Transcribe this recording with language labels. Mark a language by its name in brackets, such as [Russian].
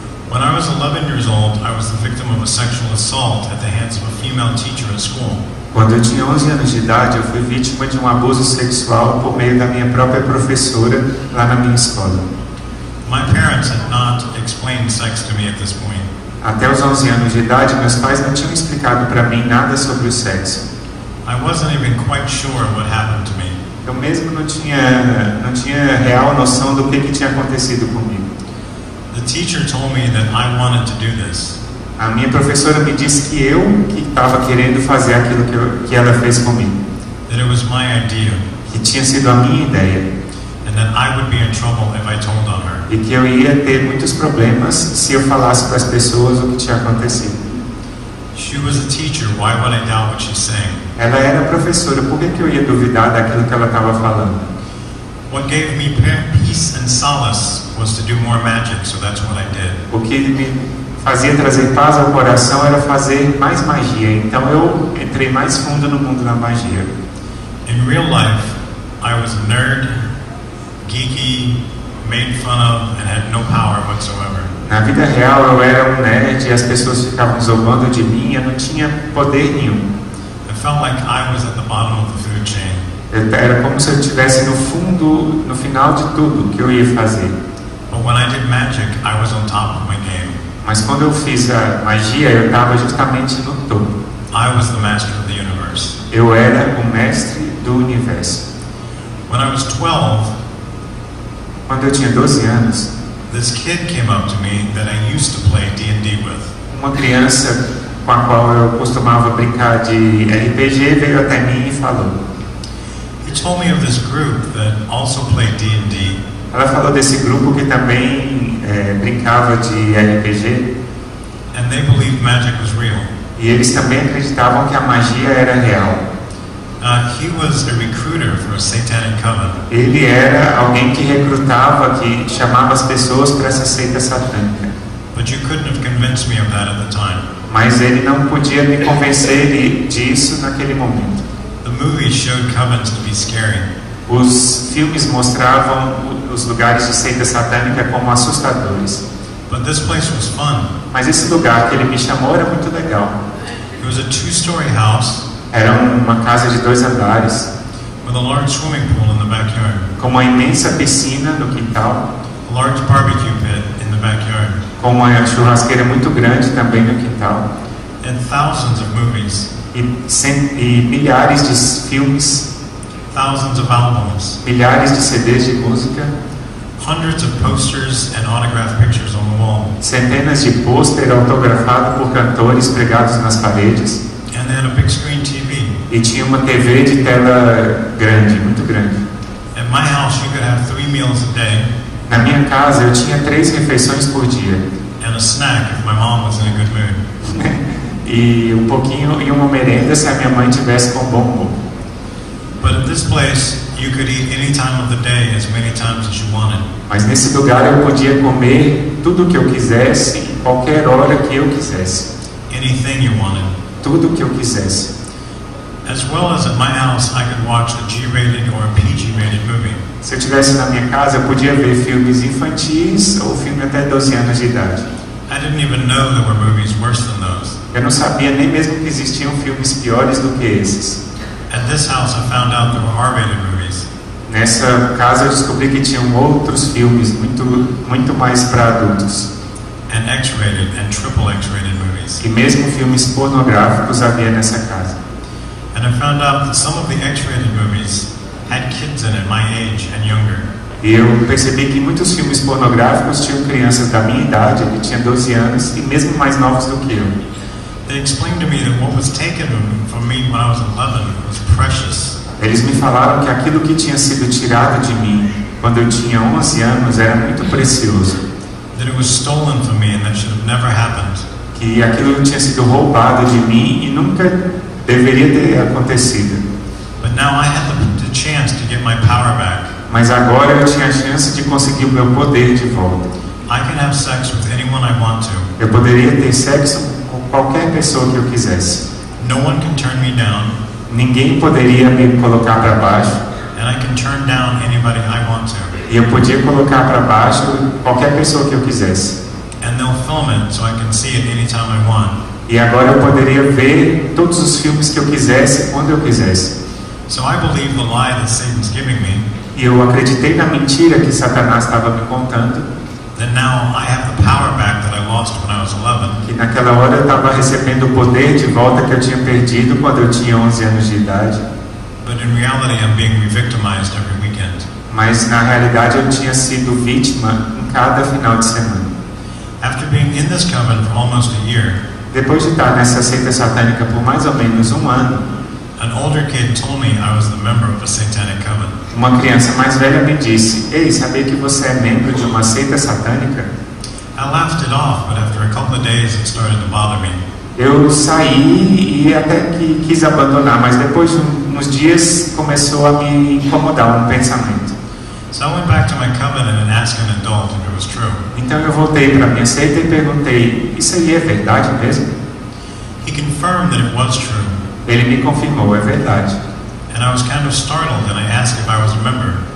[English] When I was 11 years old, I was the victim of a sexual assault at the hands of a female teacher at school. [Portuguese] Quando eu tinha 11 anos de idade, eu fui vítima de um abuso sexual por meio da minha própria professora lá na minha escola. [English] My parents had not explained sex to me at this point. [Portuguese] Até os 11 anos de idade, meus pais não tinham explicado para mim nada sobre o sexo. [English] I wasn't even quite sure what happened to me. [Portuguese] Eu mesmo não tinha real noção do que tinha acontecido comigo. [English] The teacher told me that I wanted to do this. [Portuguese] A minha professora me disse que eu que estava querendo fazer aquilo que ela fez comigo. [English] That it was my idea. [Portuguese] Que tinha sido a minha ideia. [English] And that I would be in trouble if I told on her. [Portuguese] E que eu ia ter muitos problemas se eu falasse para as pessoas o que tinha acontecido. [English] She was a teacher. Why would I doubt what she's saying? [Portuguese] Ela era professora. Por que eu ia duvidar daquilo que ela estava falando? [English] What gave me peace and solace was to do more magic, so that's what I did. [Portuguese] O que me fazia trazer paz ao coração era fazer mais magia. Então eu entrei mais fundo no mundo da magia. [English] In real life, I was a nerd, geeky, made fun of, and had no power whatsoever. [Portuguese] Na vida real, eu era um nerd e as pessoas ficavam zombando de mim e eu não tinha poder nenhum. [English] I felt like I was at the bottom of the food chain. [Portuguese] Era como se eu estivesse no fundo, no final de tudo que eu ia fazer. [English] But when I did magic, I was on top of my game. [Portuguese] Mas quando eu fiz a magia, eu estava justamente no topo. [English] I was the master of the universe. [Portuguese] Eu era o mestre do universo. [English] When I was 12, [Portuguese] quando eu tinha 12 anos, [English] this kid came up to me that I used to play D&D with. [Portuguese] Uma criança com a qual eu costumava brincar de RPG veio até mim e falou. [English] He told me of this group that also played D&D. [Portuguese] Ela falou desse grupo que também brincava de RPG. [English] And they believed magic was real. [Portuguese] E eles também acreditavam que a magia era real. [English] He was a recruiter for a satanic coven. [Portuguese] Ele era alguém que recrutava, que chamava as pessoas para essa seita satânica. [English] But you couldn't have convinced me of that at the time. [Portuguese] Mas ele não podia me convencer disso naquele momento. [English] The movie showed covens to be scary. [Portuguese] Os filmes mostravam os lugares de seita satânica como assustadores. [English] But this place was fun. [Portuguese] Mas esse lugar que ele me chamou era muito legal. [English] It was a two-story house. [Portuguese] Era uma casa de dois andares. [English] With a large swimming pool in the backyard. [Portuguese] Com uma imensa piscina no quintal. [English] A large barbecue pit in the backyard. [Portuguese] Com uma churrasqueira muito grande também no quintal. [English] And thousands of movies. [Portuguese] E milhares de filmes. [English] Thousands of albums. [Portuguese] Milhares de CDs de música. [English] Hundreds of posters and autographed pictures on the wall. [Portuguese] Centenas de pôster autografado por cantores pregados nas paredes. [English] And they had a big screen TV. [Portuguese] E tinha uma TV de tela grande, muito grande. [English] At my house, you could have three meals a day. [Portuguese] Na minha casa, eu tinha três refeições por dia. [English] And a snack if my mom was in a good mood. [Portuguese] E um pouquinho e uma merenda se a minha mãe tivesse com bom humor. [English] But at this place, you could eat any time of the day as many times as you wanted. [Portuguese] Mas nesse lugar eu podia comer tudo que eu quisesse, qualquer hora que eu quisesse. [English] Anything you wanted. [Portuguese] Tudo que eu quisesse. [English] As well as at my house, I could watch a G-rated or a PG-rated movie. [Portuguese] Se eu tivesse na minha casa, eu podia ver filmes infantis ou filme até 12 anos de idade. [English] I didn't even know there were movies worse than those. [Portuguese] Eu não sabia nem mesmo que existiam filmes piores do que esses. [English] At this house, I found out there were R-rated movies. [Portuguese] Nessa casa eu descobri que tinham outros filmes muito mais para adultos. [English] And X-rated and triple X-rated movies. [Portuguese] E mesmo filmes pornográficos havia nessa casa. [English] And I found out that some of the X-rated movies had kids in it, my age and younger. [Portuguese] E eu percebi que muitos filmes pornográficos tinham crianças da minha idade, que tinha 12 anos e mesmo mais novos do que eu. [English] They explained to me that what was taken from me when I was 11 was precious. [Portuguese] Eles me falaram que aquilo que tinha sido tirado de mim quando eu tinha 11 anos era muito precioso. [English] That it was stolen from me and that should have never happened. [Portuguese] Que aquilo tinha sido roubado de mim e nunca deveria ter acontecido. [English] But now I had the chance to get my power back. [Portuguese] Mas agora eu tinha a chance de conseguir o meu poder de volta. [English] I can have sex with anyone I want to. [Portuguese] Eu poderia ter sexo qualquer pessoa que eu quisesse. [English] No one can turn me down. [Portuguese] Ninguém poderia me colocar para baixo. [English] And I can turn down anybody I want to. [Portuguese] E eu podia colocar para baixo qualquer pessoa que eu quisesse. [English] And they'll film it so I can see it anytime I want. [Portuguese] E agora eu poderia ver todos os filmes que eu quisesse, quando eu quisesse. [English] So I believe the lie that Satan's giving me. [Portuguese] E eu acreditei na mentira que Satanás estava me contando. [English] That now I have the power back that I lost when I was 11. [Portuguese] Que naquela hora eu estava recebendo o poder de volta que eu tinha perdido quando eu tinha 11 anos de idade. [English] But in reality I'm being re-victimized every weekend. [Portuguese] Mas na realidade eu tinha sido vítima em cada final de semana. [English] After being in this coven for almost a year. [Portuguese] Depois de estar nessa seita satânica por mais ou menos um ano. [English] An older kid told me I was the member of a satanic coven. [Portuguese] Uma criança mais velha me disse: "Ei, sabia que você é membro de uma seita satânica?" [English] I laughed it off, but after a couple of days it started to bother me. [Portuguese] Eu saí e até que quis abandonar, mas depois de uns dias começou a me incomodar um pensamento. [English] So I went back to my covenant and asked an adult if it was true. [Portuguese] Então eu voltei para minha seita e perguntei: "Isso aí é verdade mesmo?" [English] He confirmed that it was true. [Portuguese] Ele me confirmou, é verdade. [English] And I was kind of startled and I asked if I was a member.